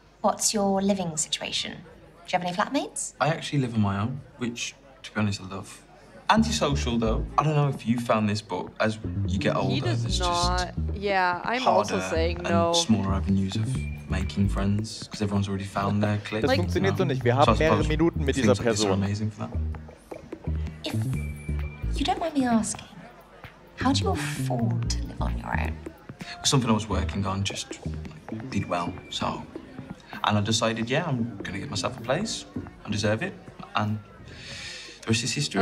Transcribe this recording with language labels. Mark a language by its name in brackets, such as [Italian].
[English] What's your living situation? Do you have any flatmates? I actually live on my own, which, to be honest, I love. Antisocial, though. I don't know if you found this, but as you get older, it's just I'm also saying no. And smaller avenues of... making friends, because everyone's already found their clique. [German] Das funktioniert so nicht. Wir haben mehrere Minuten mit dieser Person. [English] If you don't mind me asking, how do you afford to live on your own? Something I was working on just did well, so. And I decided, yeah, I'm going to get myself a place. I deserve it. And the rest is history.